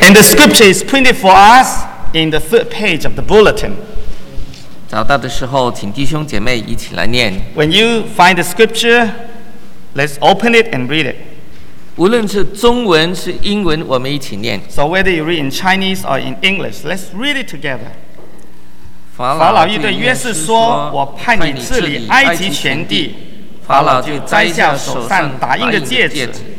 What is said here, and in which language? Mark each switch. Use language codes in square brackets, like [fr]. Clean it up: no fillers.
[en] And the scripture is printed for us in the third page of the bulletin. [zh] 找到的时候，请弟兄姐妹一起来念。 [en] When you find the scripture, let's open it and read it. [zh] 无论是中文是英文，我们一起念。 [en] So whether you read in Chinese or in English, let's read it together. [zh] 法老对约瑟说，我派你治理埃及全地。法老就摘下手上打印的戒指，